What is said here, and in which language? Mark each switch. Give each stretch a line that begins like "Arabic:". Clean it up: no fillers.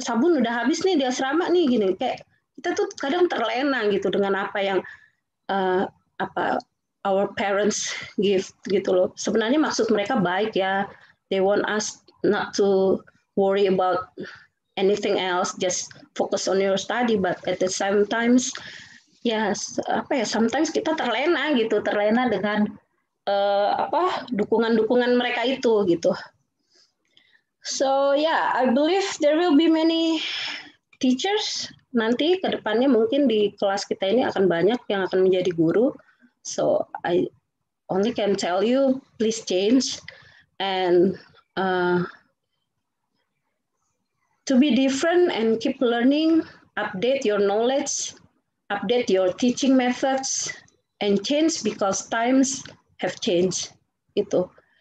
Indonesian: Sabun udah habis nih di asrama nih, gini. Kayak kita tuh kadang terlena gitu dengan apa yang apa
English: our parents give
Indonesian: gitu loh. Sebenarnya maksud mereka baik ya.
English: They want us not to worry about anything else, just focus on your study. But at the same time, ya apa ya?
Indonesian: Sometimes kita terlena gitu, terlena dengan apa dukungan-dukungan mereka itu gitu.
English: So yeah, I believe there will be many teachers
Indonesian: nanti ke depannya mungkin di kelas kita ini akan banyak yang akan menjadi guru.
English: So I only can tell you please change and to be different and keep learning, update your knowledge, update your teaching methods and change because times have changed. Itu.